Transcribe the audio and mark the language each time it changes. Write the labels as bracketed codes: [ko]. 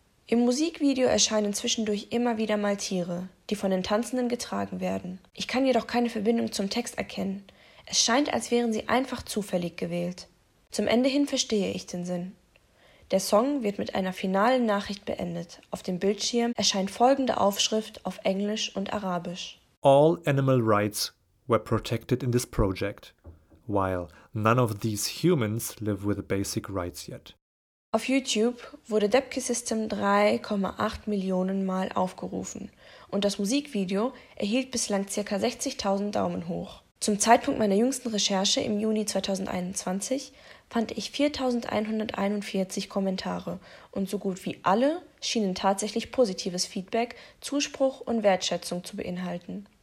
[de] Im Musikvideo erscheinen zwischendurch immer wieder mal Tiere, die von den Tanzenden getragen werden. Ich kann jedoch keine Verbindung zum Text erkennen. Es scheint, als wären sie einfach zufällig gewählt. Zum Ende hin verstehe ich den Sinn. Der Song wird mit einer finalen Nachricht beendet. Auf dem Bildschirm erscheint folgende Aufschrift auf Englisch und Arabisch: [en] All animal rights were protected in this project, while none of these humans live with basic rights yet. [de] Auf YouTube wurde Debki System 3,8 Millionen Mal aufgerufen und das Musikvideo erhielt bislang ca. 60.000 Daumen hoch. Zum Zeitpunkt meiner jüngsten Recherche im Juni 2021 fand ich 4.141 Kommentare und so gut wie alle schienen tatsächlich positives Feedback, Zuspruch und Wertschätzung zu beinhalten.